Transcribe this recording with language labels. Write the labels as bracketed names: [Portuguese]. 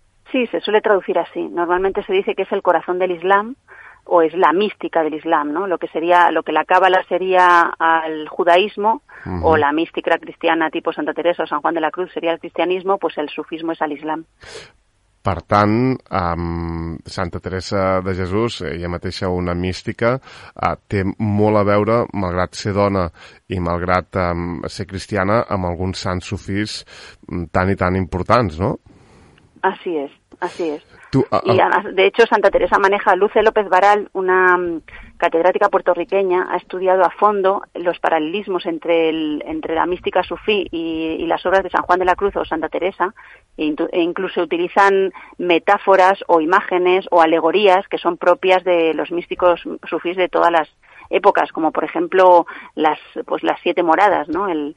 [Spanish] Sí, se suele traducir así. Normalmente se dice que es el corazón del Islam o es la mística del Islam, ¿no? Lo que la cábala sería al judaísmo o la mística cristiana tipo Santa Teresa o San Juan de la Cruz sería el cristianismo, pues el sufismo es al Islam. [Catalan] Per tant, Santa Teresa de Jesús, ella mateixa una mística, té molt a veure, malgrat ser dona i malgrat ser cristiana, amb alguns sants sufís tan i tan importants, no? [Spanish] Así es, así es. Y además, de hecho, Santa Teresa maneja a Luce López Baral, una catedrática puertorriqueña, ha estudiado a fondo los paralelismos entre la mística sufí y las obras de San Juan de la Cruz o Santa Teresa, e incluso utilizan metáforas o imágenes o alegorías que son propias de los místicos sufís de todas las épocas, como por ejemplo las siete moradas, ¿no?